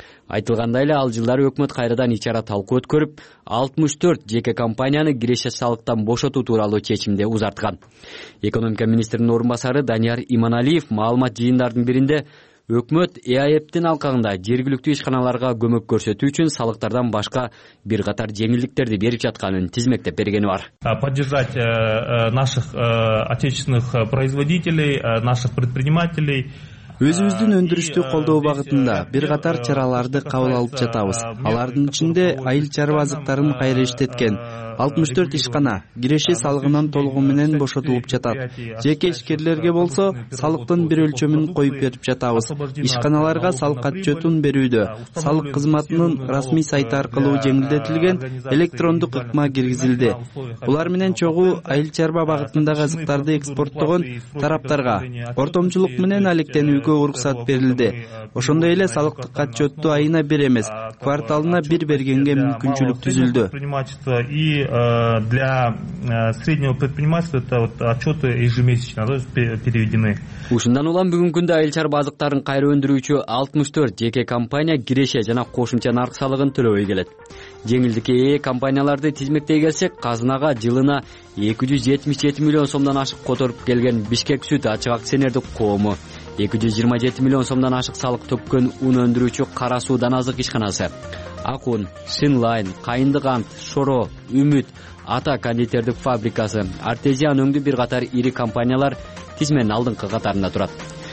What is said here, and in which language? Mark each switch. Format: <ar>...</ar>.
<ky>Айтылгандай эле ал жылдары өкмөт кайрадан ич ара талкуу өткөрүп, 64 жеке компанияны киреше салыктан бошотуу тууралуу чечимди узарткан. Экономика министринин орун басары Данияр Иманалиев маалымат жыйындардын биринде өкмөт ЕЭПТин алкагында жергиликтүү ишканаларга көмөк көрсөтүү үчүн салыктардан башка бир катар жеңилдиктерди берип жатканын тизмектеп бергени бар.</ky> <ru>Поддержать наших отечественных производителей, наших предпринимателей.</ru> <ky>Өзүбүздүн өндүрүштү колдоо багытында бир катар чараларды кабыл алып жатабыз. Алардын ичинде айыл чарба азыктарын кайра иштеткен 64 ишкана киреше салыгынан толугу менен бошотулуп жатат. Жеке ишкерлерге болсо салыктын бир өлчөмүн коюп берип жатабыз. Ишканаларга салык отчётун берүүдө салык кызматынын расмий сайты аркылуу жеңилдетилген электрондук ыкма киргизилди. Булар менен чогуу айыл чарба багытындагы азыктарды экспорттогон тараптарга ортомчулук менен алектенүүгө уруксат берилди. Ошондой эле салыктык отчётту айына бир эмес, кварталына бир бергенге мүмкүнчүлүк түзүлдү.</ky> <ru>И для среднего предпринимательства это вот отчеты ежемесячно, то есть переведены.</ru> <ky>Ушундан улам бүгүнкүндө айыл чарба азыктарын кайра өндүрүүчү 64 жеке компания киреше жана кошумча нарык салыгын төлөбөй келет. Жеңилдикке ээ компанияларды тизмектей келсек, казынага жылына 277 миллион сомдон ашык которуп келген Бишкек сүт ачык акционердик коому, 227 миллион сомдон ашык салык төккөн ун өндүрүүчү Кара суу дан азык ишканасы, Акун, Синлайн, Кайындык ант, Шоро, Үмүт, Ата кондитердик фабрикасы, Артезиан өңдүү бир катар ири компаниялар тизменин алдыңкы катарында турат.</ky>